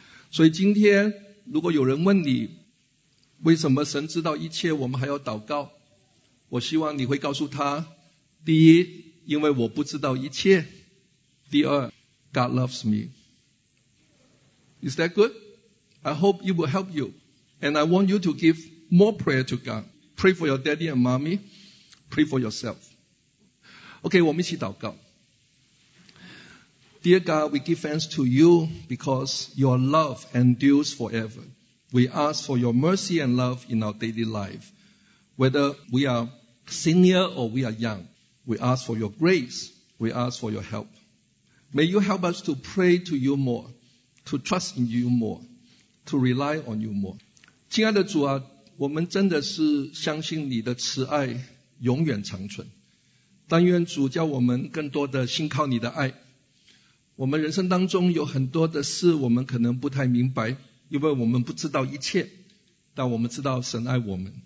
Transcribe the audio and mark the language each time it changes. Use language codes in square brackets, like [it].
[zh] 所以今天如果有人问你为什么神知道一切我们还要祷告，我希望你会告诉他：第一，因为我不知道一切；第二， [en] God loves me. Is that good? I hope it will help you. And I want you to give more prayer to God. Pray for your daddy and mommy. Pray for yourself. OK, [zh] 我们一起祷告。 [en] Dear God, we give thanks to you because your love endures forever. We ask for your mercy and love in our daily life. Whether we are senior or we are young, we ask for your grace. We ask for your help. May you help us to pray to you more, to trust in you more, to rely on you more. [zh] 亲爱的主啊，我们真的是相信你的慈爱永远长存。但愿主叫我们更多的信靠你的爱。我们人生当中有很多的事我们可能不太明白，因为我们不知道一切，但我们知道神爱我们。